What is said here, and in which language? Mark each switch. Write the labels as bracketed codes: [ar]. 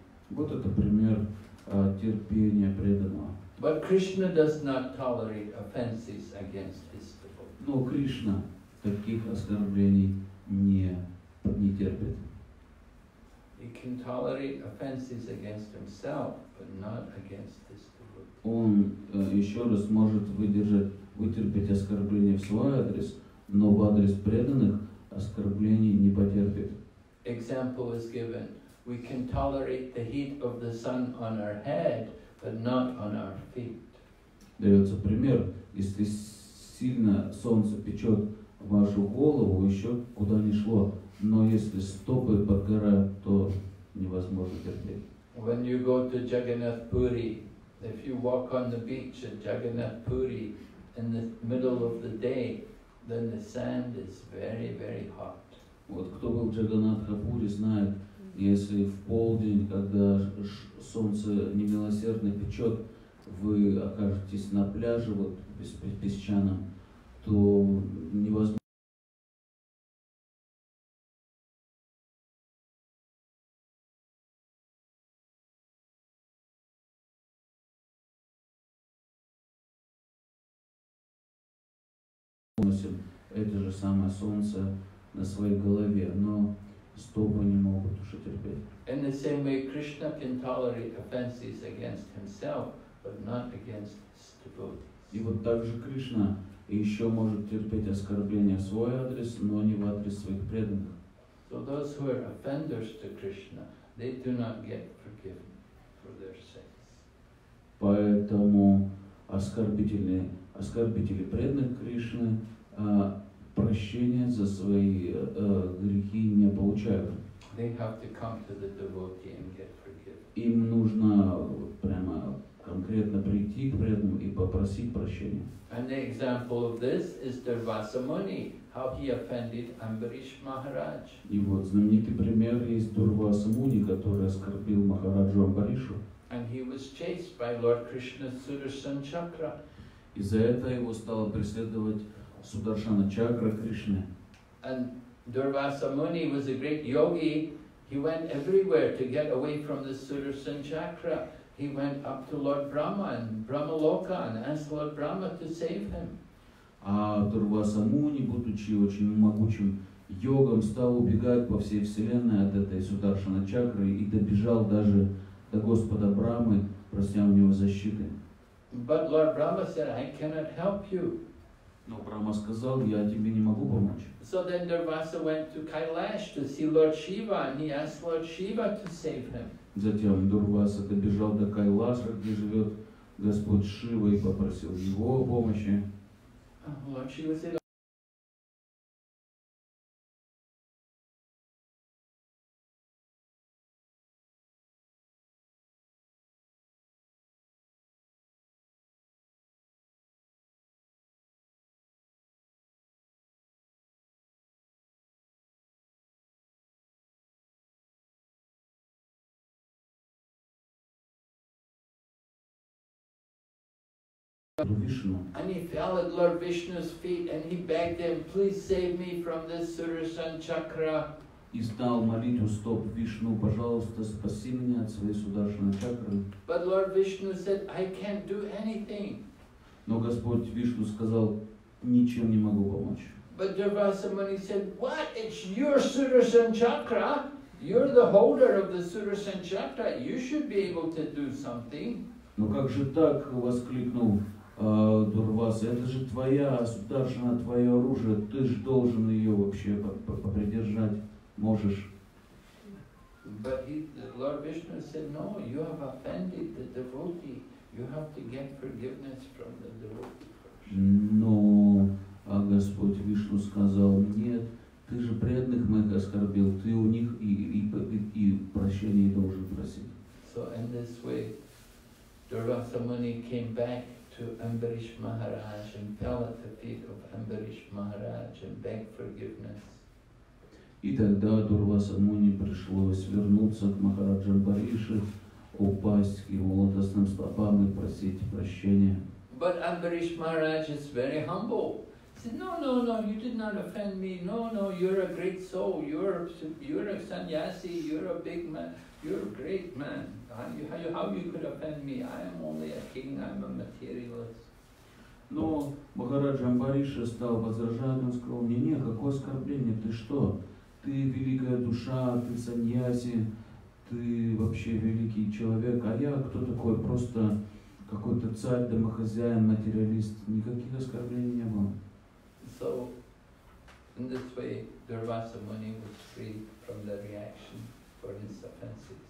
[ru] Вот это пример терпения преданного. [en] But Krishna does not tolerate offenses against his devotees. [ru] Но Кришна таких оскорблений не терпит. [en] He can tolerate offenses against himself, but not against his devotees. [ru] Он еще раз может вытерпеть оскорбления в свой адрес, но в адрес преданных оскорблений не потерпит. [en] Example is given. We can tolerate the heat of the sun on our head, but not on our feet. [ru] Дается пример, если сильно солнце печет вашу голову, еще куда ни шло, но если стопы подгорают, то невозможно терпеть. [en] When you go to Jagannath Puri, if you walk on the beach at Jagannath Puri in the middle of the day, then the sand is very, very hot. [ru] Вот кто был в Джаганнатхапури, знает, если в полдень, когда солнце немилосердно печет, вы окажетесь на пляже, вот, песчаном, то невозможно. Это же самое солнце на своей голове, но стопы не могут уже терпеть. [en] In the same way, Krishna can tolerate offenses against himself, but not against his devotees. [ru] И вот также Кришна еще может терпеть оскорбления в свой адрес, но не в адрес своих преданных. [en] So those who are offenders to Krishna, they do not get forgiven for their sins. [ru] Поэтому оскорбители преданных Кришны прощения за свои грехи не получают. [en] They have to come to the devotee and get forgiven. [ru] Им нужно прямо конкретно прийти к преданному и попросить прощения. [en] And the example of this is Durvasa Muni, how he offended Ambarish Maharaj. [ru] И вот знаменитый пример есть Дурваса Муни, который оскорбил Махараджу Амбаришу. [en] And he was chased by Lord Krishna Sudarshan Chakra. [ru] И за это его стало преследовать Sudarshana Chakra Krishna. [en] And Durvasa Muni was a great yogi. He went everywhere to get away from the Sudarshan Chakra. He went up to Lord Brahma in Brahmaloka and asked Lord Brahma to save him. [ru] А Дурваса Муни, будучи очень могучим йогом, стал убегать по всей вселенной от этой Сударшана Чакры и добежал даже до Господа Брамы, прося у него защиты. [en] But Lord Brahma said, I cannot help you. [ru] Но Брама сказал, я тебе не могу помочь. [en] So then Durvasa went to Kailash to see Lord Shiva, and he asked Lord Shiva to save him. [ru] Затем Дурваса добежал до Кайласа, где живет Господь Шива, и попросил его о помощи. [en] Lord Shiva said, Lord Vishnu. And he fell at Lord Vishnu's feet and he begged him, please save me from this Sudarshan Chakra. [ru] И стал молить у стоп Вишну, пожалуйста, спаси меня от своей Сударшаны Чакры. [en] But Lord Vishnu said, I can't do anything. [ru] Но Господь Вишну сказал, ничем не могу помочь. [en] But Durvasa Muni said, what? It's your Sudarshan Chakra. You're the holder of the Sudarshan Chakra. You should be able to do something. [ru] Но как же так, воскликнул Дурваса, это же твоя Сударшана, твое оружие, ты же должен ее вообще попридержать. Можешь. [en] But Lord Vishnu said, no, you have offended the devotee. You have to get forgiveness from the devotee. [ru] Но, а Господь Вишну сказал, нет, ты же преданных моих оскорбил, ты у них и прощение должен просить. [en] So in this way, Durvasa Muni came back to Ambarish Maharaj and fell at the feet of Ambarish Maharaj and begged forgiveness. [ru] И тогда Дурваса Муни пришлось вернуться к Махараджа Амбариши, упасть к его лотосным стопам и просить прощения. [en] But Ambarish Maharaj is very humble. He said, no, no, no, you did not offend me. No, no, you're a great soul. You're a sannyasi. You're a big man. You're a great man. How you could offend me? I am only a king. I'm a materialist. [ru] Но Махараджа Амбариши стал возражать. Он сказал, не, какое оскорбление, ты что? Ты великая душа, ты саньяси, ты вообще великий человек, а я кто такой? Просто какой-то царь, домохозяин, материалист. Никаких оскорблений не было. [en] So, in this way, Durvasa Muni was free from the reaction for his offenses.